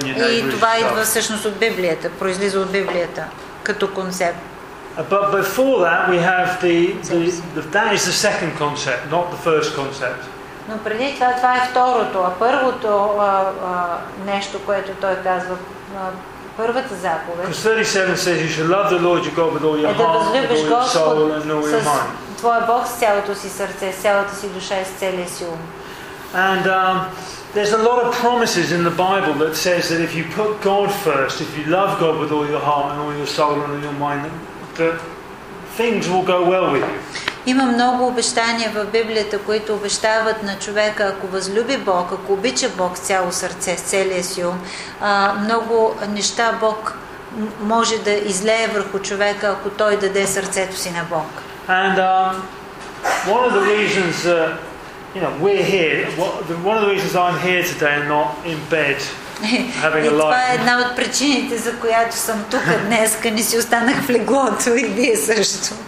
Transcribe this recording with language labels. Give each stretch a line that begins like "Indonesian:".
Bulgarian: И това идва всъщност от Библията, произлиза от Библията като концепт.
English: But before that we have that is the second concept, not the first concept.
Bulgarian: Но преди това, това е второто, а първото нещо, което той казва, първата заповед.
English: Because 37 says you should love the Lord your God with all your heart, with all your soul, and all your mind.
Bulgarian: Твоя Бог с цялото си сърце, с цялата си душа и с целия си ум.
English: And there's a lot of promises in the Bible that says that if you put God first, if you love God with all your heart and all your soul and all your mind, then things will go well with you.
Bulgarian: Има много обещания в Библията, които обещават на човека, ако възлюби Бог, ако обича Бог с цяло сърце, с целия си ум, много неща Бог може да излее върху човека, ако той даде сърцето си на Бог.
English: And one of the reasons we're here, one of the reasons I'm here today and not in bed.
Bulgarian: И това е една от причините, за която съм тук днес, не си останах в леглото и вие също.